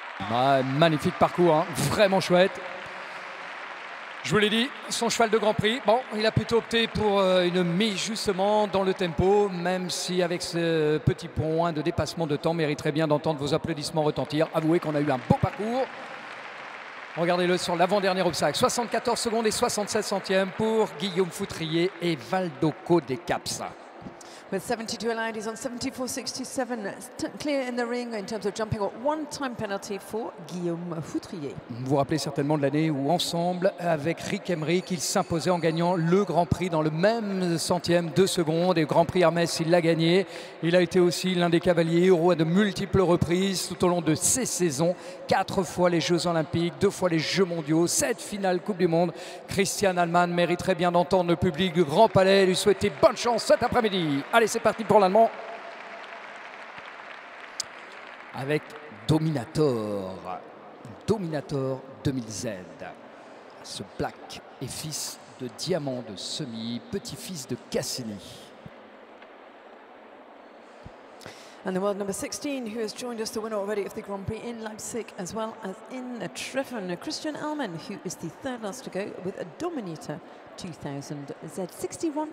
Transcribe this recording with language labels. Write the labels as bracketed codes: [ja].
[fr] Ah, magnifique parcours, hein. Vraiment chouette. Je vous l'ai dit, son cheval de Grand Prix, bon, il a plutôt opté pour une mise justement dans le tempo, même si avec ce petit point de dépassement de temps, mériterait bien d'entendre vos applaudissements retentir. Avouez qu'on a eu un beau parcours. Regardez-le sur l'avant-dernier obstacle. 74 secondes et 76 centièmes pour Guillaume Foutrier et Valdeco des Caps. [en] With 72 allowed, he's on 74-67, clear in the ring in terms of jumping. One time penalty for Guillaume Foutrier. [fr] Vous vous rappelez certainement de l'année où, ensemble, avec Rick Emerick, il s'imposait en gagnant le Grand Prix dans le même centième, deux secondes. Et Grand Prix Hermès, il l'a gagné. Il a été aussi l'un des cavaliers roi de multiples reprises tout au long de ses saisons. Quatre fois les Jeux Olympiques, deux fois les Jeux Mondiaux, sept finales Coupe du Monde. Christian Allemann mériterait bien d'entendre le public du Grand Palais lui souhaiter bonne chance cet après-midi. Allez, c'est parti pour l'allemand. Avec Dominator. Dominator 2000Z. Ce black est fils de Diamant de Semi, petit-fils de Cassini. [en] And the world number 16, who has joined us, the winner already of the Grand Prix in Leipzig, as well as in Treffen, Christian Allemann, who is the third last to go with a Dominator 2000Z.